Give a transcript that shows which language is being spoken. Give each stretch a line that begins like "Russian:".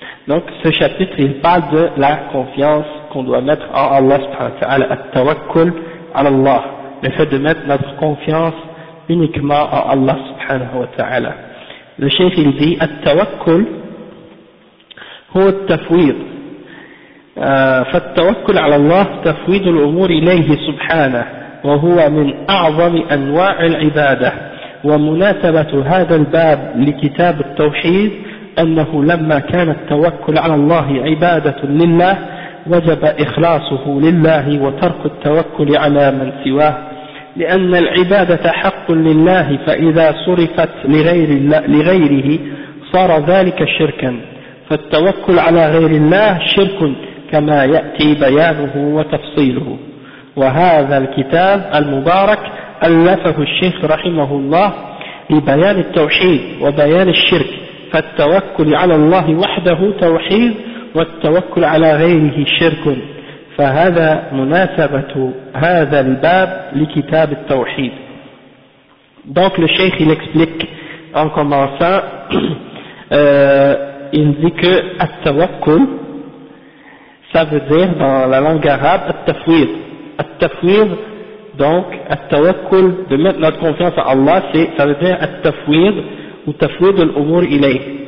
French: Donc ce chapitre il parle de la confiance qu'on doit mettre en Allah subhanahu wa ta'ala,
Arabic: at-tawakkul 'alallah,
French: le fait de mettre notre confiance uniquement en Allah subhanahu wa ta'ala. Le cheikh il dit
Arabic: التوكل هو التفويض فالتوكل على الله تفويض الأمور إليه سبحانه وهو من أعظم أنواع العبادة ومناسبة هذا الباب لكتاب التوحيد أنه لما كان التوكل على الله عبادة لله وجب إخلاصه لله وترك التوكل على من سواه لأن العبادة حق لله فإذا صرفت لغيره صار ذلك شركا فالتوكل على غير الله شرك كما يأتي بيانه وتفصيله وهذا الكتاب المبارك ألفه الشيخ رحمه الله لبيان التوحيد وبيان الشرك فالتوكل على الله وحده توحيد والتوكل على غيره شرك فهذا مناسبة هذا الباب لكتاب التوحيد.
French: Donc le cheikh il explique en commençant, il dit que التوكل, ça veut dire dans la langue arabe التفويض. التفويض, donc التوكل, de mettre notre confiance en Allah, ça veut dire التفويض ou
Arabic: تفويض الأمور إليه.